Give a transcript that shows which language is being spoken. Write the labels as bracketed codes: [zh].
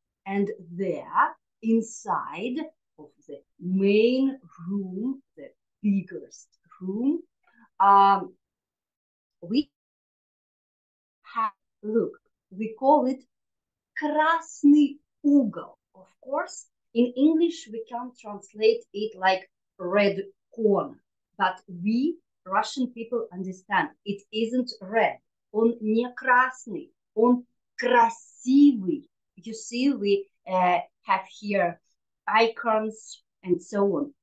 [en] And there, inside of the main room, the biggest room, we have, look, we call it [ru] красный угол. [en] Of course, in English, we can translate it like red corner. But we, Russian people, understand it isn't red. [ru] Он не красный, он красивый. [en] You see, we have here icons and so on.